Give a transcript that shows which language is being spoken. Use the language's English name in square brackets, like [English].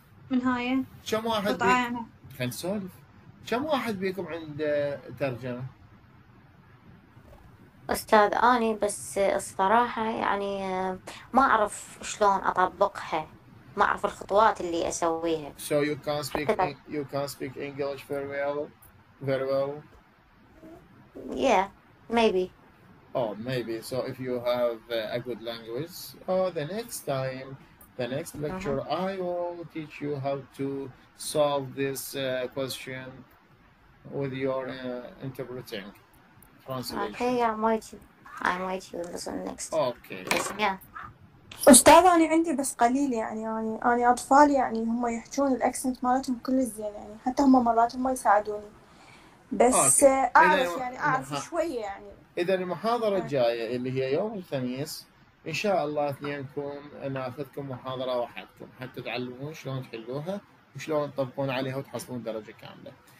[Arabic] بيكم؟ كم واحد بيكم؟ خلنا نسولف. كم واحد بيكم عند ترجمة؟ أستاذ أني بس الصراحة يعني ما أعرف شلون أطبقها، ما أعرف الخطوات اللي أسويها. [English] So you can't speak you can't speak English very well very well. Yeah maybe. Oh, maybe. So if you have a good language, the next time, the next lecture, I will teach you how to solve this question with your interpreting translation. Okay, I'm waiting. Listen next. Okay. Listen, yeah. [Arabic] أستاذ أنا عندي بس قليل يعني أطفال يعني هم يحجون الأكسنت مالتهم كل زين يعني حتى هم مرات هم يساعدوني. بس أعرف يعني أعرف شوية يعني. إذا المحاضرة الجاية اللي هي يوم الخميس إن شاء الله اثنينكم ناخذكم محاضرة وحدكم حتى تتعلمون شلون تحلوها وشلون تطبقون عليها وتحصلون درجة كاملة.